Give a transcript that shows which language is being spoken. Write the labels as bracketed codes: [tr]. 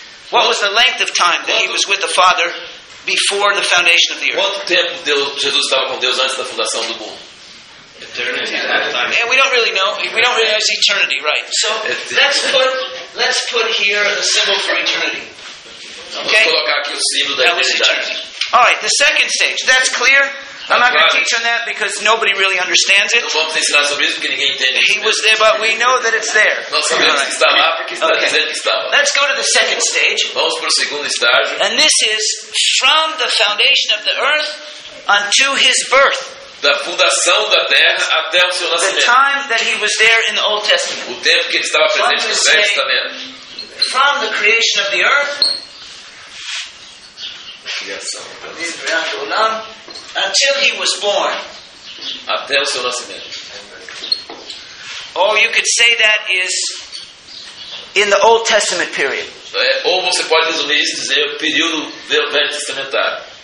[en] What was the length of time that he was with the Father before the foundation of the earth? [pt] Quanto tempo Jesus estava com Deus antes da fundação do mundo? [en] eternity, lifetime. And we don't really know. We don't really know it's eternity, right? So let's put here the symbol for eternity. Okay. That was eternity. All right. The second stage. That's clear. I'm not going to teach on that because nobody really understands it. He was there, but we know that it's there. Okay. Let's go to the second stage. And this is from the foundation of the earth unto his birth. The time that he was there in the Old Testament. From the creation of the earth. Until he was born. [pt] Até o seu nascimento. [en] Or you could say that is in the Old Testament period. [pt] Ou você pode resumir isso e dizer o período velho testamentário.